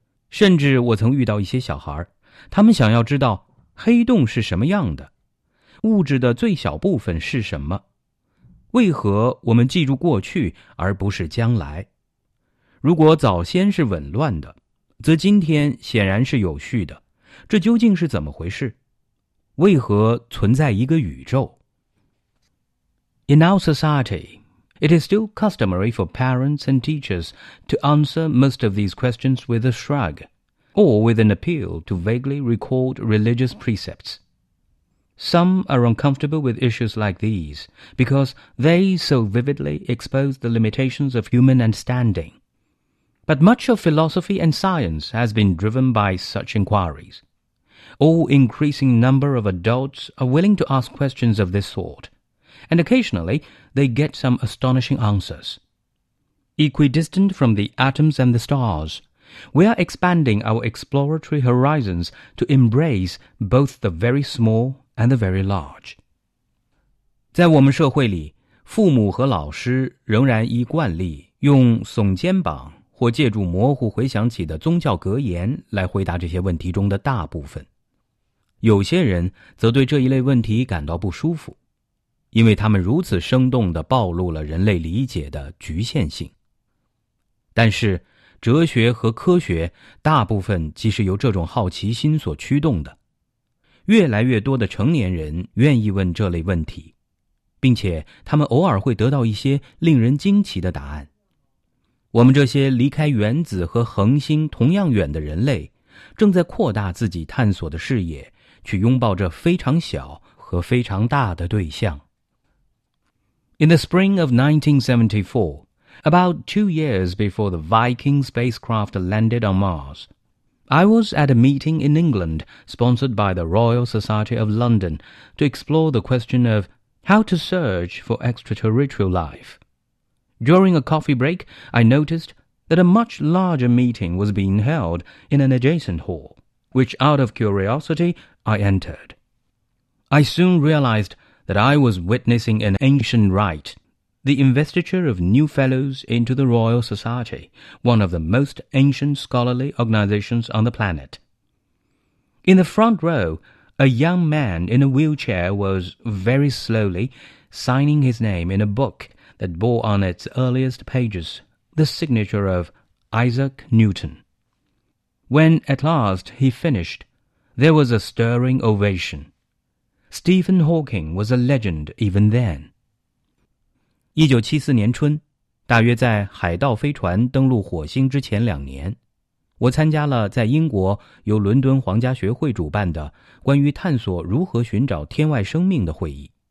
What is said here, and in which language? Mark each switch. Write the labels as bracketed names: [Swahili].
[Chinese] 甚至我曾遇到一些小孩，他们想要知道黑洞是什么样的，物质的最小部分是什么，为何我们记住过去而不是将来？如果早先是紊乱的，则今天显然是有序的，这究竟是怎么回事？为何存在一个宇宙？ [English] In our society, it is still customary for parents and teachers to answer most of these questions with a shrug, or with an appeal to vaguely recalled religious precepts. Some are uncomfortable with issues like these because they so vividly expose the limitations of human understanding. But much of philosophy and science has been driven by such inquiries. All increasing number of adults are willing to ask questions of this sort, and occasionally they get some astonishing answers. Equidistant from the atoms and the stars,We are expanding our exploratory horizons to embrace both the very small and the very large. [Chinese] 在我们社会里，父母和老师仍然依惯例用耸肩膀或借助模糊回想起的宗教格言来回答这些问题中的大部分。有些人则对这一类问题感到不舒服，因为他们如此生动地暴露了人类理解的局限性。但是哲学和科学大部分即是由这种好奇心所驱动的。越来越多的成年人愿意问这类问题，并且他们偶尔会得到一些令人惊奇的答案。我们这些离开原子和恒星同样远的人类，正在扩大自己探索的视野，去拥抱这非常小和非常大的对象。 [English] In the spring of 1974,About 2 years before the Viking spacecraft landed on Mars, I was at a meeting in England sponsored by the Royal Society of London to explore the question of how to search for extraterrestrial life. During a coffee break, I noticed that a much larger meeting was being held in an adjacent hall, which out of curiosity, I entered. I soon realized that I was witnessing an ancient rite,The investiture of new fellows into the Royal Society, one of the most ancient scholarly organizations on the planet. In the front row, a young man in a wheelchair was very slowly signing his name in a book that bore on its earliest pages the signature of Isaac Newton. When at last he finished, there was a stirring ovation. Stephen Hawking was a legend even then. [Chinese] 1974年春，大约在海盗飞船登陆火星之前两年，我参加了在英国由伦敦皇家学会主办的关于探索如何寻找天外生命的会议。